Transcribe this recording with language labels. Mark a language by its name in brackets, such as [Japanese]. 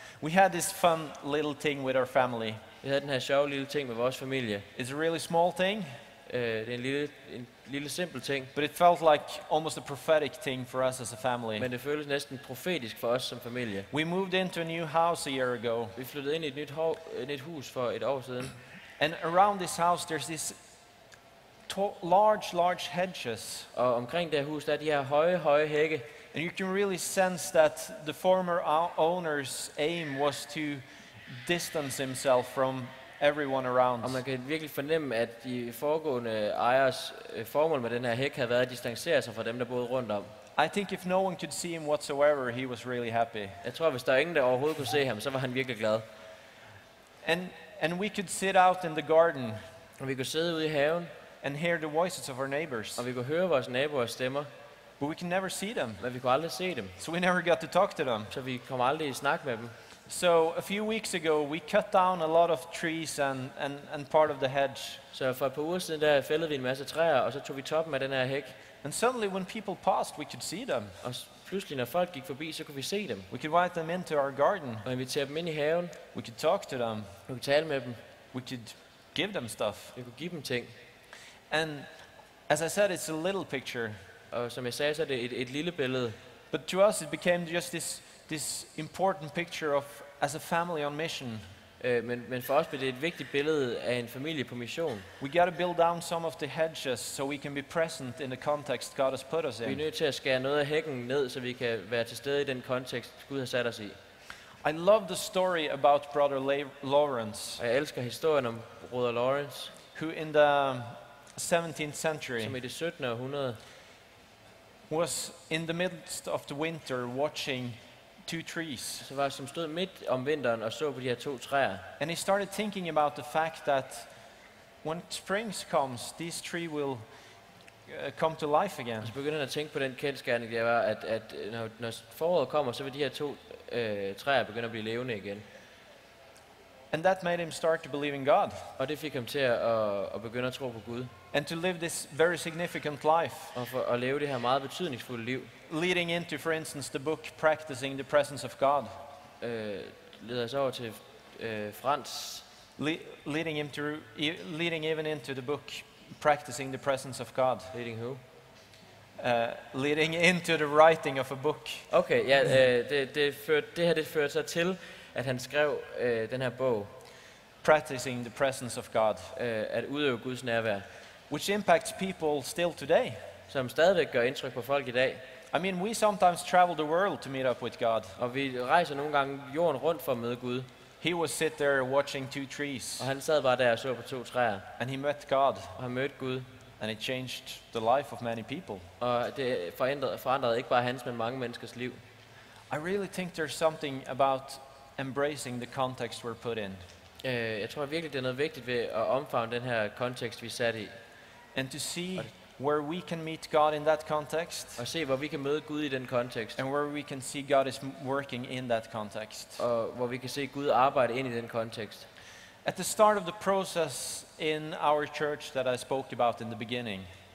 [English] We had this fun little thing with our family. [Danish] Vi havde den her sjove lille ting med vores familie. [English] It's a really small thing. [Danish] Det er en lille simpel ting. [English] But it felt like almost a prophetic thing for us as a family. [Danish] Men det føles næsten profetisk for os som familie. [English] We moved into a new house a year ago. [Danish] Vi flyttede ind i et nyt hus for et år siden. [English] And around this house there's this large hedges. [Danish] Og omkring det hus der er de her høje hække. [English] And you can really sense that the former owner's aim was to distance himself from everyone around. [Danish] Og man kan virkelig fornemme at de foregående ejers formål med den her hæk havde været at distancere sig fra dem der boede rundt om. [English] I think if no one could see him whatsoever, he was really happy. [Danish] Jeg tror hvis der ingen der overhovedet kunne se ham, så var han virkelig glad. [English] And we could sit out in the garden. [Danish] Og vi kunne sidde ude i haven. [English] And hear the voices of our neighbors. [Danish] Og vi kunne høre vores naboers stemmer. [English] But we can never see them. [Danish] Men vi kunne aldrig se dem. [English] So we never got to talk to them. [Danish] Så vi kom aldrig i snak med dem. [English] So a few weeks ago we cut down a lot of trees and part of the hedge. [Danish] Så for et par uger siden der fældede vi en masse træer og så tog vi toppen af den her hæk. [English] And suddenly when people passed we could see them. [Danish] Og pludselig når folk gik forbi så kunne vi se dem. [English] We could invite them into our garden. [Danish] Og invitere dem ind i haven. [English] We could talk to them. [Danish] Vi kunne tale med dem. [English] We could give them stuff. [Danish] Vi kunne give dem ting. [English] And as I said, it's a little picture. [Danish] Og som jeg sagde, så er det et lille billede. [English] But to us, it became just this important picture of as a family on mission. [Danish] Men for os blev det et vigtigt billede af en familie på mission. [English] We got to build down some of the hedges so we can be present in the context God has put us in. [Danish] Vi er nødt til at skære noget af hækken ned, så vi kan være til stede i den kontekst Gud har sat os i. [English] I love the story about Brother Lawrence. [Danish] Jeg elsker historien om Brother Lawrence, [English] who in the 17th century. [Danish] Som i det 17. århundrede. [English] Was in the midst of the winter watching two trees. [Danish] Så var som stod midt om vinteren og så på de her to træer. [English] And he started thinking about the fact that when spring comes, this tree will come to life again. [Danish] Så begyndte han at tænke på den kendsgerning der var at når foråret kommer, så vil de her to træer begynde at blive levende igen. [English] And that made him start to believe in God. [Danish] Og det fik ham til at begynde at tro på Gud. [English] And to live this very significant life. [Danish] Og for at leve det her meget betydningsfulde liv. [English] Leading into, for instance, the book Practicing the Presence of God. [Danish] Leder så over til Frans. [English] Leading even into the book Practicing the Presence of God. Leading who? Leading into the writing of a book. [Danish] Okay, ja, det her det fører så til at han skrev den her bog, [English] Practicing the Presence of God, [Danish] at udøve Guds nærvær, [English] which impacts people still today, [Danish] som stadig gør indtryk på folk i dag. [English] I mean, we sometimes travel the world to meet up with God. [Danish] Og vi rejser nogle gange jorden rundt for at møde Gud. [English] He was sit there watching two trees. [Danish] Og han sad bare der og så på to træer. [English] And he met God. [Danish] Og han mødte Gud. [English] And it changed the life of many people. [Danish] Og det forandrede ikke bare hans, men mange menneskers liv. [English] I really think there's something about embracing the context we're put in. [Danish] Jeg tror virkelig, det er noget vigtigt ved at omfavne den her kontekst, vi er sat i. [English] And to see where we can meet God in that context. [Danish] Og se hvor vi kan møde Gud i den kontekst. [English] And where we can see God is working in that context. [Danish] Og hvor vi kan se Gud arbejde ind i den kontekst. [English] At the start of the process in our church that I spoke about in the beginning.